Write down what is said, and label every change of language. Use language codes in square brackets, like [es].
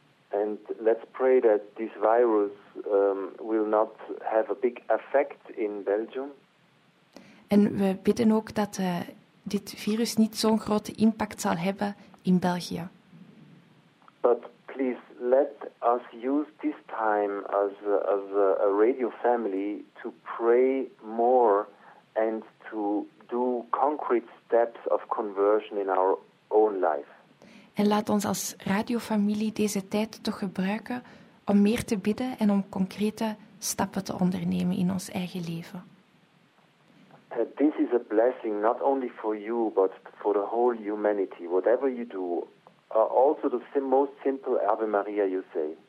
[en] And let's pray that this virus will not have a big effect in Belgium. [nl] En we bidden ook dat dit virus niet zo'n grote impact zal hebben in België. [en] But please let us use this time as a radio family to pray more and to do concrete steps of conversion in our own life. [nl] En laat ons als radiofamilie deze tijd toch gebruiken om meer te bidden en om concrete stappen te ondernemen in ons eigen leven. [en] This is a blessing not only for you but for the whole humanity. Whatever you do, also the most simple Ave Maria you say.